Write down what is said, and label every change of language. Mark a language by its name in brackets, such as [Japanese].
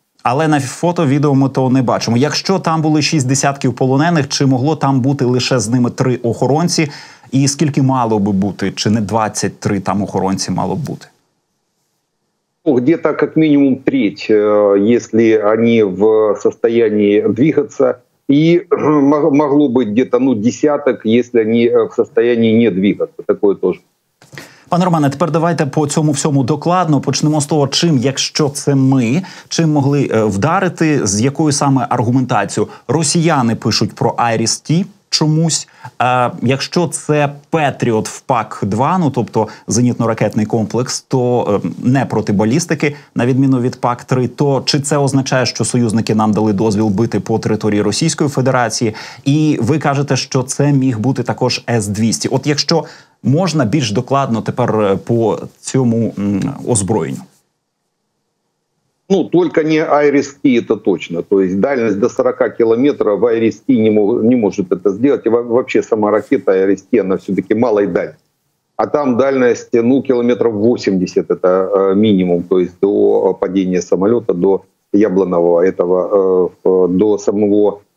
[Ukrainian] Але на фото, відео ми того не бачимо. Якщо там були 60 полонених, чи могло там бути лише з ними 3 охоронці? І скільки мало би бути? Чи не 23 там охоронці мало б бути? [Russian] Где-то [Ukrainian] як мінімум треть, якщо вони [Russian] в состоянии [Ukrainian] рухатися. [Russian] И могло быть где-то десяток, если они в состоянии не двигаться. Такое тоже. [Ukrainian] Пане Романе, тепер давайте по цьому всьому докладно. Почнемо з того, чим, якщо це ми, чим могли вдарити, з якою саме аргументацією. Росіяни пишуть про Аріс-Ті чомусь. Якщо це Patriot в ПАК-2, тобто зенітно-ракетний комплекс, то не проти балістики, на відміну від ПАК-3, то чи це означає, що союзники нам дали дозвіл бити по території Російської Федерації? І ви кажете, що це міг бути також С-200. От якщо можна більш докладно тепер по цьому озброєнню? [Russian] Ну, только не Аріс-Ті, это точно. То есть дальность до 40 километров в Аріс-Ті не может это сделать. И вообще сама ракета Аріс-Ті, она все-таки малой дальности. А там дальность, километров 80, это минимум. То есть до падения самолета, до Яблонового, этого, до самого